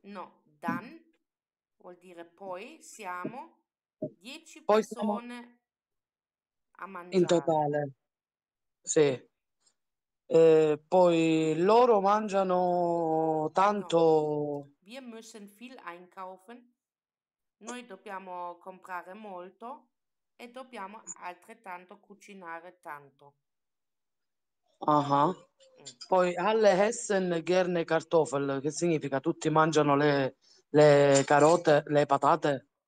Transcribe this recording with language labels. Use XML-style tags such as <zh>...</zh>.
<it>No, dann vuol dire poi siamo 10 persone. Siamo... A mangiare. In totale, sì. Poi loro mangiano tanto.</it> <de>Wir müssen viel einkaufen.</de> <it>Noi dobbiamo comprare molto e dobbiamo altrettanto cucinare tanto. Poi</it> <de>alle essen gerne Kartoffel,</de> <it>che significa tutti mangiano le carote, le patate.</it>